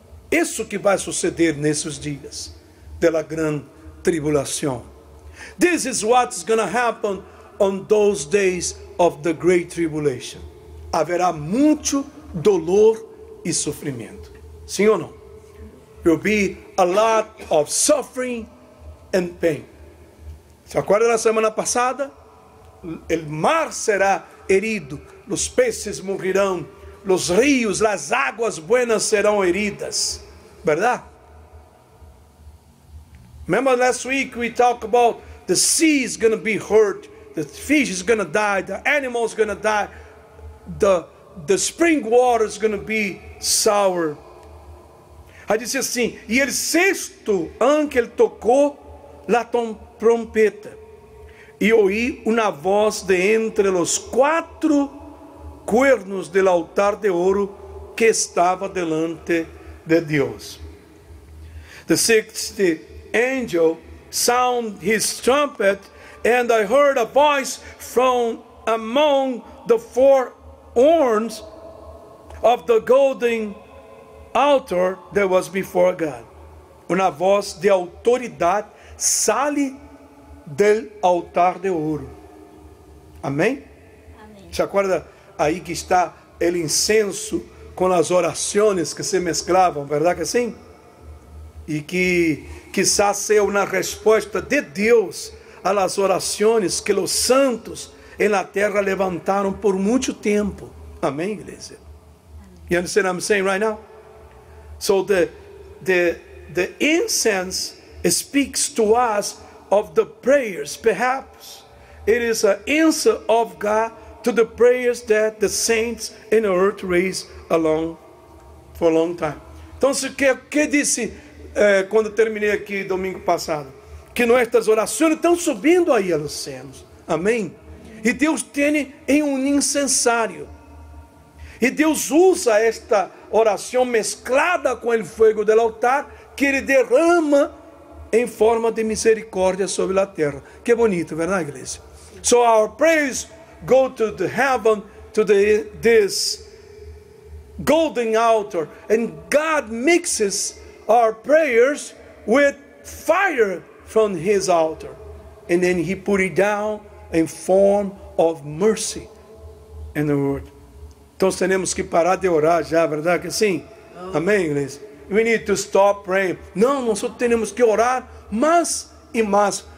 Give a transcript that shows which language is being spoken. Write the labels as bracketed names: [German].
[Portuguese] Isso que vai suceder nesses dias da grande tribulação. [English] This is what's gonna happen on those days of the great tribulation. [Portuguese] Haverá muito dolor e sofrimento. Sim ou não? [English] There will be a lot of suffering and pain. [Portuguese] Se acorda na semana passada, [Spanish] el mar será herido, los peces morrerão, los rios, las aguas buenas serão heridas. ¿Verdad? [English] Remember last week we talked about the sea is going to be hurt, the fish is going to die, the animals going to die, the spring water is going to be sour. [Portuguese] Aí disse assim, e ele sexto anjo ele tocou la trompeta, e ouvi uma voz de entre os quatro cuernos del altar de ouro que estava delante de Deus. [English] The sixth angel sound his trumpet, and I heard a voice from among the four horns of the golden altar that was before God. [Portuguese] Uma voz de autoridade sale del altar de ouro. Amém? Amém. Se acorda aí que está o incenso com as orações que se mesclavam, verdade que sim? E que quizás seja uma resposta de Deus a las orações que os santos em la terra levantaram por muito tempo. Amém, igreja? [English] You understand what I'm saying right now? So the incense speaks to us of the prayers. Perhaps it is an answer of God to the prayers that the saints in the earth raised along for a long time. [Portuguese] Então, o que disse quando terminei aqui domingo passado? Que nossas orações estão subindo aí aos céus. Amém? E Deus tem em um incensário. E Deus usa esta oração mesclada com o fogo do altar, que ele derrama em forma de misericórdia sobre a terra. Que bonito, verdade, igreja? [English] So our prayers go to the heaven, to this golden altar, and God mixes our prayers with fire from his altar, and then he put it down in form of mercy in the world. [Portuguese] Então, temos que parar de orar já, verdade que sim? Oh. Amém, igreja? [English] We need to stop praying. [Portuguese] Não, nós só temos que orar mais e mais.